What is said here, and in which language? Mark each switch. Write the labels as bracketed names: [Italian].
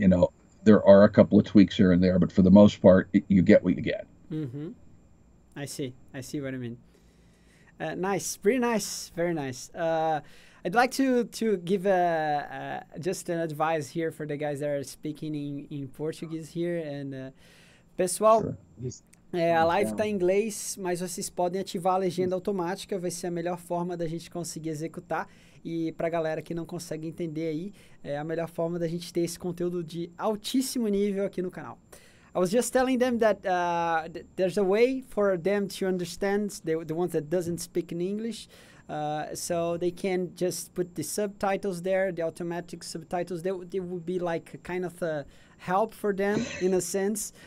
[English] You know, there are a couple of tweaks here and there, but for the most part, you get what you get. Mm-hmm. I see what I mean. Nice. Pretty nice. Very nice. I'd like to give just an advice here for the guys that are speaking in Portuguese here. [Portuguese] And pessoal, [English] sure. [Portuguese] A live está em inglês, mas vocês podem ativar a legenda automática. Vai ser a melhor forma da gente conseguir executar. E para a galera que não consegue entender aí, é a melhor forma da gente ter esse conteúdo de altíssimo nível aqui no canal. [English] I was just telling them that there's a way for them to understand, the ones that doesn't speak in English. So they can just put the subtitles there, the automatic subtitles. They would be like kind of a help for them in a sense.